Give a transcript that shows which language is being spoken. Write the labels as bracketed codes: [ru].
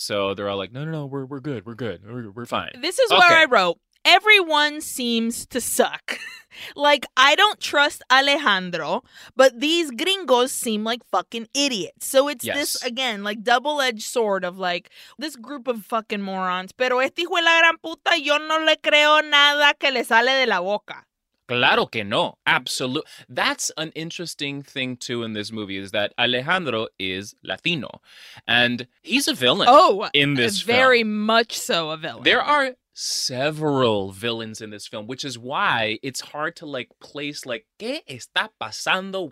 [en] So they're all like, no, we're good. We're good. We're fine. This is okay. Where I wrote, everyone seems to suck. Like, I don't trust Alejandro, but these gringos seem like fucking idiots. So it's yes. this, again, like, double-edged sword of, like, this group of fucking morons. [es] Pero este hijo de la gran puta, yo no le creo nada que le sale de la boca. Claro que no. [en] Absolutely. That's an interesting thing, too, in this movie, is that Alejandro is Latino. And he's a villain in this film. Oh, very much so a villain. There are... several villains in this film, which is why it's hard to like place like [es] ¿qué está pasando?